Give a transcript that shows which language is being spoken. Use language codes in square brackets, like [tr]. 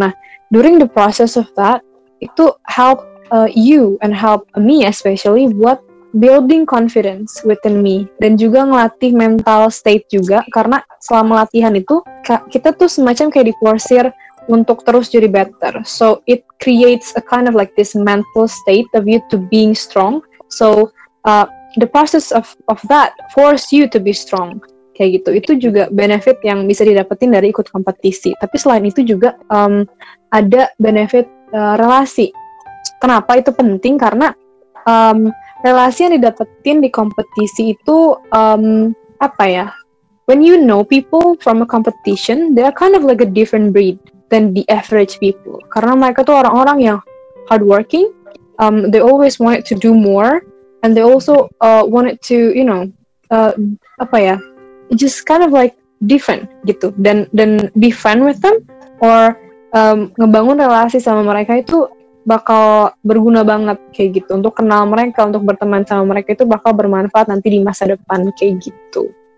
[id] Nah, during the process of that, itu help you and help me especially buat building confidence within me dan juga ngelatih mental state juga, karena selama latihan itu kita tuh semacam kayak diforsir untuk terus jadi better. [en] So it creates a kind of like this mental state of you to being strong. So the process of that force you to be strong. [id] Kayak gitu, itu juga benefit yang bisa didapetin dari ikut kompetisi. Tapi selain itu juga ada benefit relasi. Kenapa itu penting? Karena relasi yang didapetin di kompetisi itu apa ya? [en] When you know people from a competition, they are kind of like a different breed than the average people. Karena mereka tuh orang-orang yang hardworking, they always wanted to do more, and they also wanted to, you know, apa ya? [id] Just kind of like different gitu, dan be friend with them or ngebangun relasi sama mereka itu bakal berguna banget kayak gitu, untuk kenal mereka, untuk berteman sama mereka itu bakal bermanfaat nanti di masa depan kayak gitu.